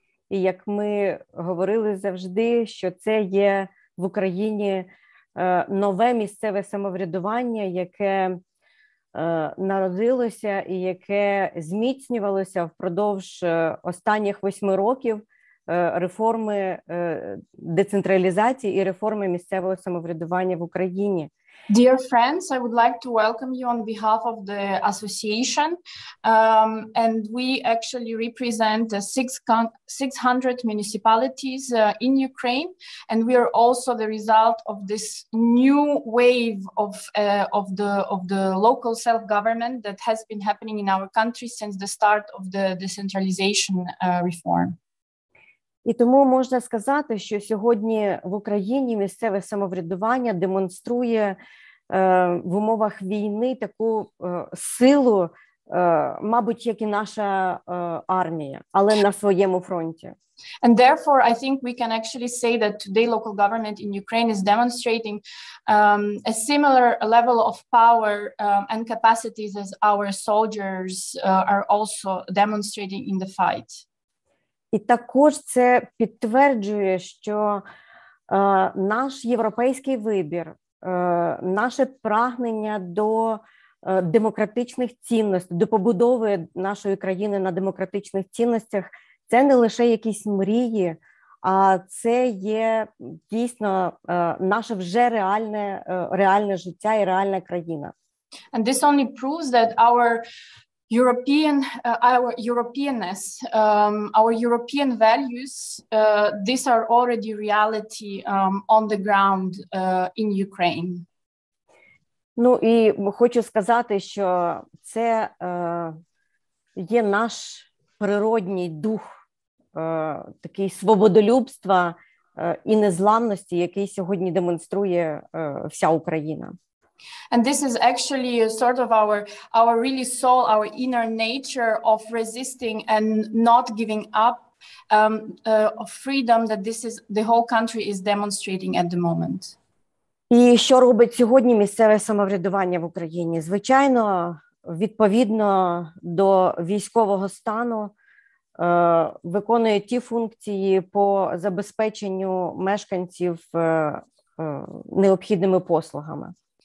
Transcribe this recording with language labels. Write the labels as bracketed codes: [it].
[uk] і як ми говорили завжди, що це є в Україні нове місцеве самоврядування, яке народилося і яке зміцнювалося впродовж останніх 8 років реформи децентралізації і реформи місцевого самоврядування в Україні. [en] Dear friends, I would like to welcome you on behalf of the association. And we actually represent 600 municipalities in Ukraine. And we are also the result of this new wave of the local self-government that has been happening in our country since the start of the decentralization reform. [uk] І тому можна сказати, що сьогодні в Україні місцеве самоврядування демонструє в умовах війни таку силу, мабуть, як і наша армія, але на своєму фронті. [en] And therefore, I think we can actually say that today local government in Ukraine is demonstrating a similar level of power and capacities as our soldiers are also demonstrating in the fight. [uk] І також це підтверджує, що наш європейський вибір, наше прагнення до демократичних цінностей, до побудови нашої країни на демократичних цінностях, це не лише якісь мрії, а це є дійсно наше вже реальне життя і реальна країна. [en] And this only proves that our European values, these are already reality on the ground in Ukraine. [uk] Ну і хочу сказати, що це є наш природній дух, такий свободолюбства і незламності, який сьогодні демонструє вся Україна. [en] And this is actually a sort of our really soul, our inner nature of resisting and not giving up of freedom that this is the whole country is demonstrating at the moment. [uk] І що робить сьогодні місцеве самоврядування в Україні? Звичайно, відповідно до військового стану, виконує ті функції по забезпеченню мешканців необхідними послугами.